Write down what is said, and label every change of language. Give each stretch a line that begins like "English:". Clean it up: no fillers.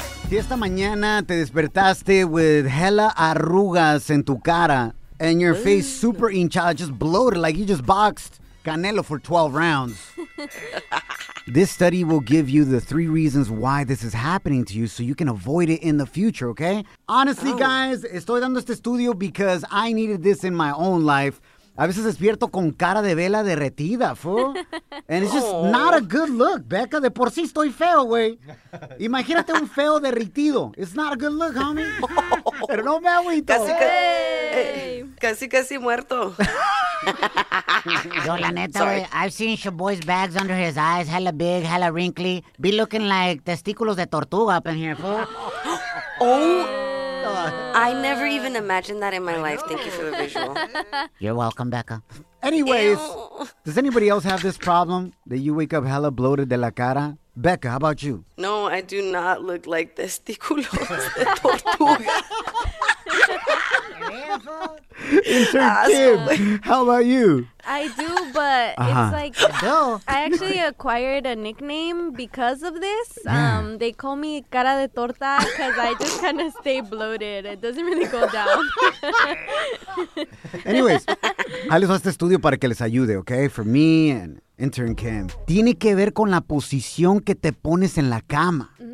Spanish: Si esta mañana te despertaste
English: with hella
Spanish: arrugas en tu cara
English: and your face super hinchada, just bloated like you just boxed Canelo for 12 rounds. This study will give you the three reasons why this is happening to you so you can avoid it in the future, okay? Honestly, guys,
Spanish: estoy dando este estudio
English: because I needed this in my own life.
Spanish: A veces despierto con cara de vela derretida, fool.
English: And it's just not a good look, Becca.
Spanish: De por sí estoy feo, güey. Imagínate un feo derretido.
English: It's not a good look, homie.
Spanish: Pero no me agüito. Casi muerto.
English: Yo,
Spanish: la neta, güey,
English: I've seen Shaboy's bags under his eyes, hella big, hella wrinkly. Be looking like
Spanish: testículos de tortuga
English: up in here, fool. I never even imagined that in my life. Thank you for the visual. You're welcome, Becca. Anyways, does anybody else have this problem that you wake up hella bloated
Spanish: de la cara?
English: Becca, how about you? No, I do not look like
Spanish: testículos de tortuga.
English: Kim, how about you? I do, but it's like I actually acquired a nickname because of this. They call me
Spanish: cara de torta
English: because I just kind of stay bloated. It doesn't really go down.
Spanish: Anyways, ahí les va este estudio para que les ayude, okay?
English: For me and intern Kim.
Spanish: Tiene que ver con la posición que te pones en la cama.